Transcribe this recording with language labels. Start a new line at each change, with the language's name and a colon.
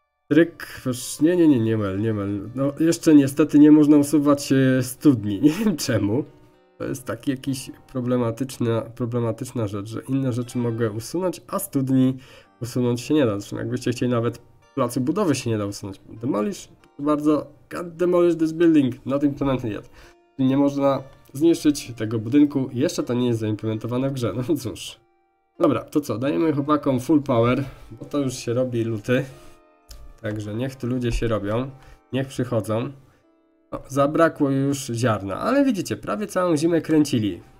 Polish: Tryk... Nie mel. No, jeszcze niestety nie można usuwać studni. Nie wiem czemu. To jest taki jakiś problematyczna rzecz, że inne rzeczy mogę usunąć, a studni... Usunąć się nie da, zresztą jakbyście chcieli, nawet placu budowy się nie da usunąć.
English: Demolish, bardzo, can't demolish this building, not implemented yet.
Polish: Nie można zniszczyć tego budynku, jeszcze to nie jest zaimplementowane w grze, no cóż. Dobra, to co, dajemy chłopakom full power, bo to już się robi luty. Także niech tu ludzie się robią, niech przychodzą. O, zabrakło już ziarna, ale widzicie, prawie całą zimę kręcili.